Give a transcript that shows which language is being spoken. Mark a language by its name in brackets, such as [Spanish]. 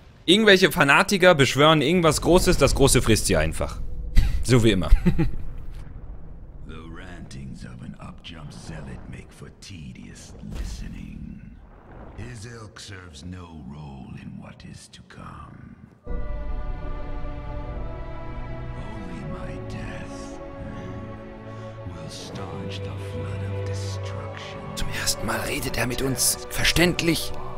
[German] Irgendwelche Fanatiker beschwören irgendwas Großes, das Große frisst sie einfach. So wie immer. [English] The rantings of an upjump zealot make for tedious listening. His ilk serves no role in what is to come. Only my death will staunch the flood of destruction. [German] Zum ersten Mal redet er mit uns verständlich.